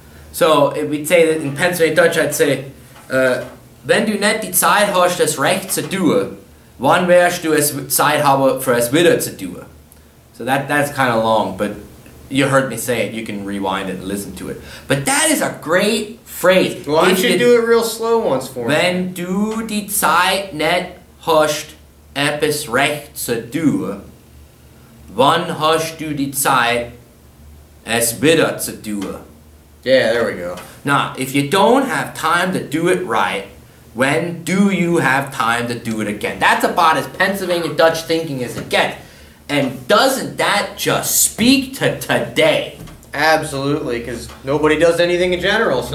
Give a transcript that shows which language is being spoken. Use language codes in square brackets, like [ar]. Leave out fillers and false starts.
[en] So, if we'd say that in Pennsylvania Dutch, I'd say, [de] wenn du nicht die Zeit hast, das recht zu tun, wann wirst du es Zeit haben, für es wieder zu tun? [en] So that's kind of long, but you heard me say it. You can rewind it and listen to it. But that is a great phrase. Well, why don't you do it real slow once for me? [de] Wenn du die Zeit nicht hast, etwas recht zu tun, wann hast du die Zeit, es wieder zu tun? [en] Yeah, there we go. Now, if you don't have time to do it right, when do you have time to do it again? That's about as Pennsylvania Dutch thinking as it gets. And doesn't that just speak to today? Absolutely, because nobody does anything in general. So.